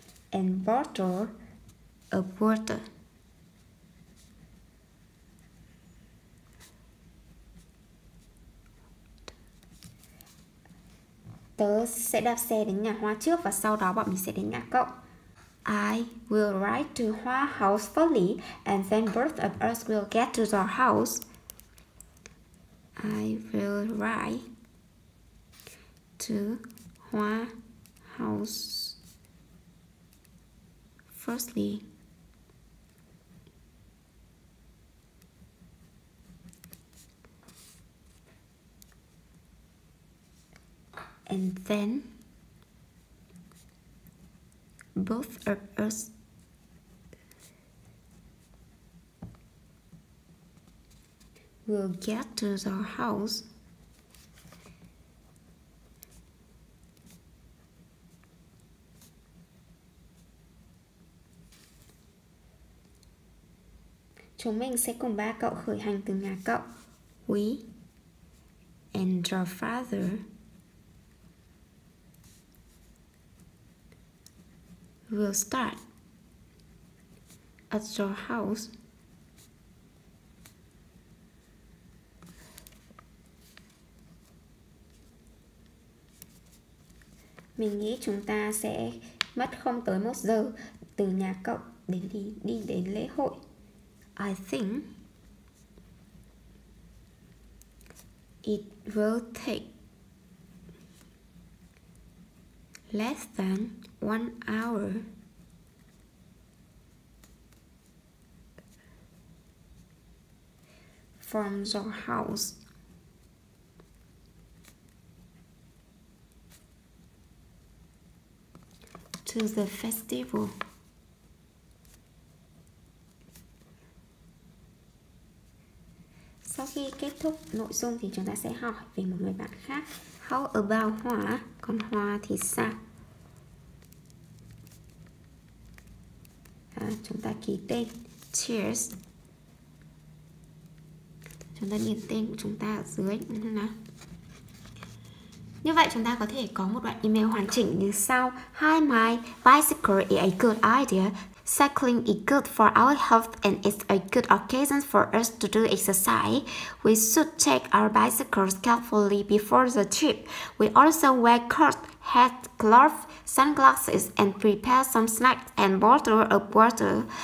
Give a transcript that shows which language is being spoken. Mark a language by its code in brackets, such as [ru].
[en] And bottle of water. [vi] Tớ sẽ đạp xe đến nhà Hoa trước và sau đó bọn mình sẽ đến nhà cậu. [en] I will ride to Hoa house fully and then both of us will get to the house. I will ride to Hoa house firstly, and then both of us will get to the house. [vi] Chúng mình sẽ cùng ba cậu khởi hành từ nhà cậu. [en] We and your father will start at your house. [vi] Mình nghĩ chúng ta sẽ mất không tới một giờ từ nhà cậu đến đi đến lễ hội. [en] I think it will take less than 1 hour from your house to the festival. [vi] Sau khi kết thúc nội dung thì chúng ta sẽ hỏi về một người bạn khác. [en] How about Hoa? [vi] Còn Hoa thì sao? Chúng ta ký tên. Cheers. Chúng ta điền tên của chúng ta ở dưới. Như vậy chúng ta có thể có một đoạn email hoàn chỉnh như sau. [en] Hi my bicycle is a good idea. Cycling is good for our health and it's a good occasion for us to do exercise. We should check our bicycles carefully before the trip. We also wear coat, hat, glove, sunglasses and prepare some snacks and bottle of water.